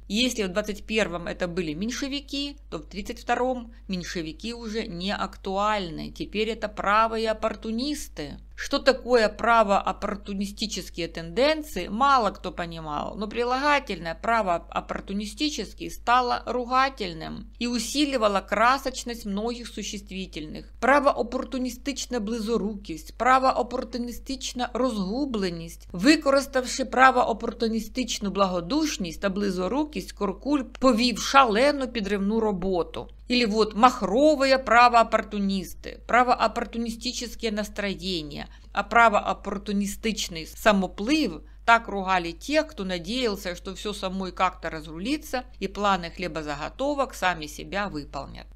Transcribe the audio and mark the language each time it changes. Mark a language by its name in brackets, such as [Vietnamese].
[Russian] Если в 21-м это были меньшевики, то в 32-м меньшевики уже не актуальны. Теперь это правые оппортунисты. Что такое право-оппортунистические тенденции, мало кто понимал, но прилагательное право-оппортунистический стало ругательным и усиливало красочность многих существительных. [Ukrainian] Право-оппортунистична близорукість, право-оппортунистична розгубленість, використавши право-оппортунистичну благодушність та близорукість, Куркуль повів шалену підривну роботу. [Russian] Или вот махровые правооппортунисты, правооппортунистические настроения, а правооппортунистичный самоплыв так ругали тех, кто надеялся, что все само и как-то разрулится, и планы хлебозаготовок сами себя выполнят.